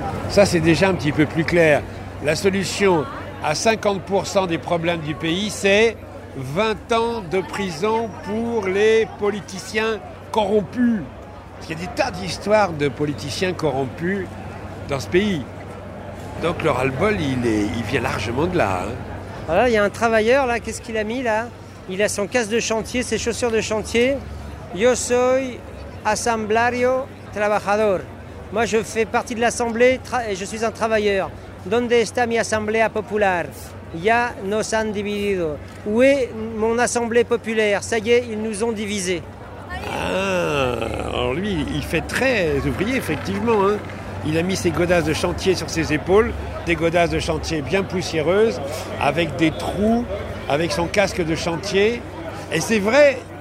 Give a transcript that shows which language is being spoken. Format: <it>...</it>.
<fr>Ça, c'est déjà un petit peu plus clair. La solution à 50% des problèmes du pays, c'est 20 ans de prison pour les politiciens corrompus. Parce qu'il y a des tas d'histoires de politiciens corrompus dans ce pays. Donc le ras-le-bol, il vient largement de là. Hein. Voilà, il y a un travailleur, là. Qu'est-ce qu'il a mis, là? Il a son casque de chantier, ses chaussures de chantier.</fr> <es>Yo soy asamblario trabajador.</es> <fr>Moi, je fais partie de l'assemblée et je suis un travailleur.</fr> <es>¿Dónde está mi asamblea popular? Ya nos han dividido.</es> <fr>Où est mon assemblée populaire? Ça y est, ils nous ont divisés. Ah, alors lui, il fait très ouvrier, effectivement. Hein. Il a mis ses godasses de chantier sur ses épaules, des godasses de chantier bien poussiéreuses, avec des trous, avec son casque de chantier. Et c'est vrai!</fr>